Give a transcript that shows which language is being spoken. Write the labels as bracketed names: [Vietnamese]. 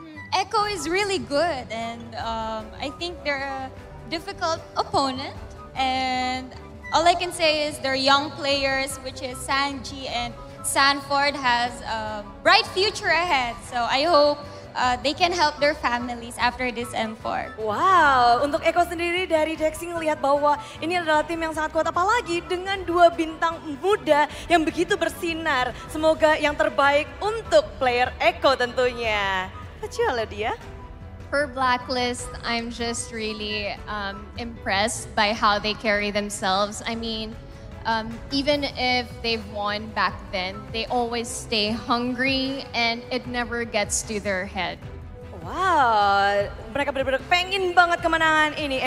[English] Echo is really good, and I think they're a difficult opponent. And all I can say is they're young players, which is Sanji and Sanford has a bright future ahead. So I hope they can help their families after this M4. [Indonesian] Wow, untuk Echo sendiri dari Dexy ngelihat bahwa ini adalah tim yang sangat kuat, apalagi dengan dua bintang muda yang begitu bersinar. Semoga yang terbaik untuk player Echo tentunya. Kecil loh dia. [English] For Blacklist, I'm just really impressed by how they carry themselves. I mean, even if they've won back then, they always stay hungry and it never gets to their head. [Indonesian] Wow, mereka benar-benar pengen banget kemenangan ini.